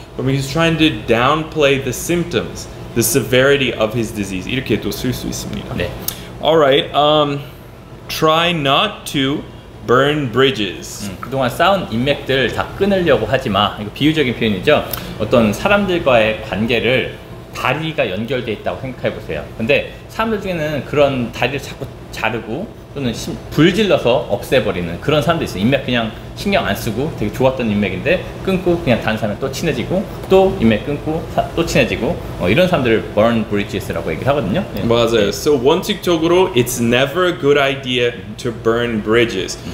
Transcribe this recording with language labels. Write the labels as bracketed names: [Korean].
[English] But he's trying to downplay the symptoms, the severity of his disease. [Korean] 이렇게 또 쓸 수 있습니다. 네. [English] Alright. Try not to burn bridges. [Korean] 그동안 쌓은 인맥들 다 끊으려고 하지 마. 이거 비유적인 표현이죠. 어떤 사람들과의 관계를 다리가 연결되어 있다고 생각해 보세요. 근데 사람들 중에는 그런 다리를 자꾸 자르고 또는 불질러서 없애버리는 그런 사람도 있어요. 인맥 그냥 신경 안 쓰고 되게 좋았던 인맥인데 끊고 그냥 다른 사람이 또 친해지고 또 인맥 끊고 또 친해지고 이런 사람들을 burn bridges라고 얘기를 하거든요. 맞아요. 네. [English] So [Korean] 원칙적으로 [English] it's never a good idea to burn bridges.